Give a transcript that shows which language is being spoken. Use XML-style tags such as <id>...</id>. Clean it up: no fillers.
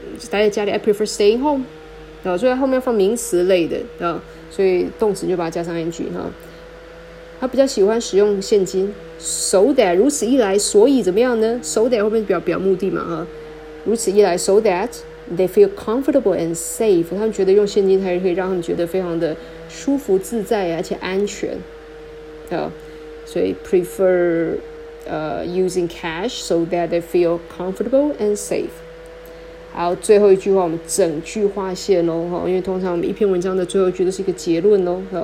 <zh>待在家里</zh> <en>I prefer staying home、</en> <zh>所以后面要放名词类的、所以动词就把它加上 ing、他比较喜欢使用现金 so that 如此一来所以怎么样呢 so that 后面表目的嘛、如此一来</zh> <en>so thatThey feel comfortable and safe.</en> <zh>他们觉得用现金还是可以让他们觉得非常的舒服自在而且安全。所以</zh> <en>prefer using cash so that they feel comfortable and safe.</en> <zh>好，最后一句话我们整句划线哦，因为通常我们一篇文章的最后一句都是一个结论哦。</zh>